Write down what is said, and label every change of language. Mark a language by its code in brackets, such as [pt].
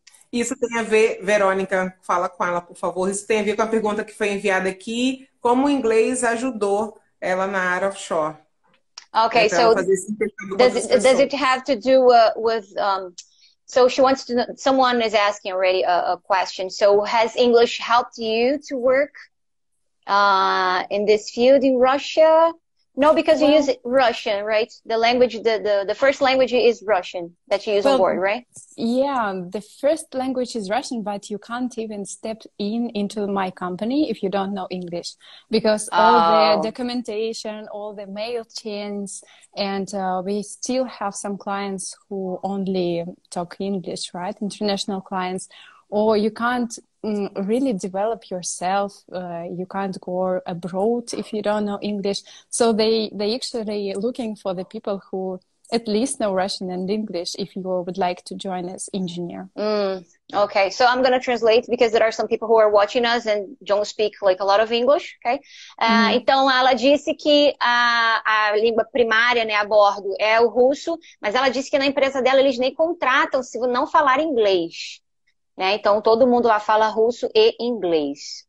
[pt] Isso tem a ver, Verônica, fala com ela, por favor. Isso tem a ver com a pergunta que foi enviada aqui. Como o inglês ajudou ela na área offshore? [en] Okay, so does it have to do with so she wants to know, someone is asking already a question. So has English helped you to work in this field in Russia? No, because you use Russian, right? The language, the first language is Russian that you use on board, right? Yeah, the first language is Russian, but you can't even step into my company if you don't know English. Because all the documentation, all the mail chains, and we still have some clients who only talk English, right? International clients. Or you can't really develop yourself. You can't go abroad if you don't know English. So they actually looking for the people who at least know Russian and English if you would like to join as engineer. Okay, so I'm going to translate because there are some people who are watching us and don't speak like a lot of English, okay? [pt] Então, ela disse que a língua primária, né, a bordo, é o russo, mas ela disse que na empresa dela eles nem contratam se não falar inglês. Né? Então, todo mundo lá fala russo e inglês.